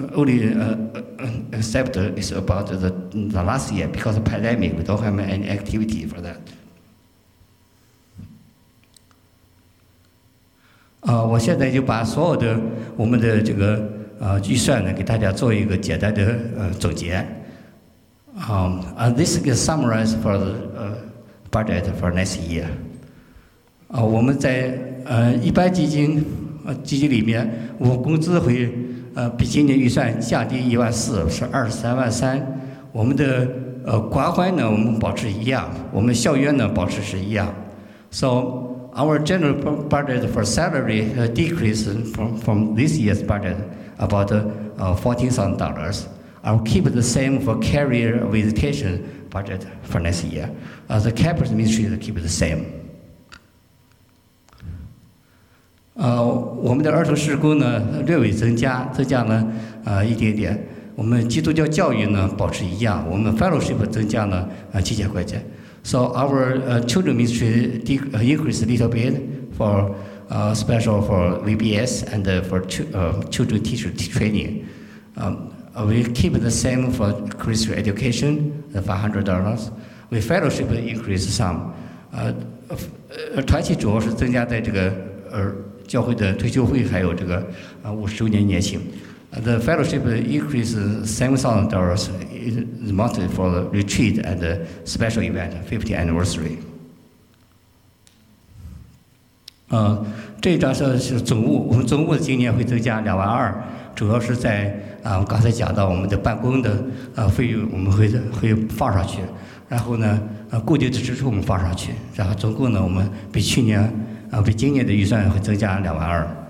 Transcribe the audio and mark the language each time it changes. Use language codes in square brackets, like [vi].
[en] Only except is about the last year, because of the pandemic, we don't have any activity for that. [zh] 我现在就把所有的我们的这个预算呢，给大家做一个简单的总结。 [en] This is summarized for the budget for next year. [zh] 我们在一般基金里面，我工资会比今年预算降低14,000，是233,000。我们的关怀呢，我们保持一样，我们校园呢保持是一样。 [en] So. Our general budget for salary decrease from this year's budget about $14,000. I'll keep the same for career visitation budget for next year. The campus ministry will keep the same. [zh] 我们的儿童事故呢略微增加呢一点点。我们基督教教育呢保持一样。我们 fellowship 增加呢7,000块钱。 [en] So our children ministry increased a little bit for special for VBS and for children teacher training. We keep the same for Christian education, the $500. We fellowship increase some. [zh] 团契主要是增加在这个教会的退休会还有这个50周年年庆。 [en] The fellowship increased $7,000 the month for the retreat and the special event, 50th anniversary. [zh] 这一张是总务，我们总务今年会增加22,000，主要是在刚才讲到我们的办公的费用，我们会放上去，然后呢固定的支出我们放上去，然后总共呢我们比去年比今年的预算会增加22,000。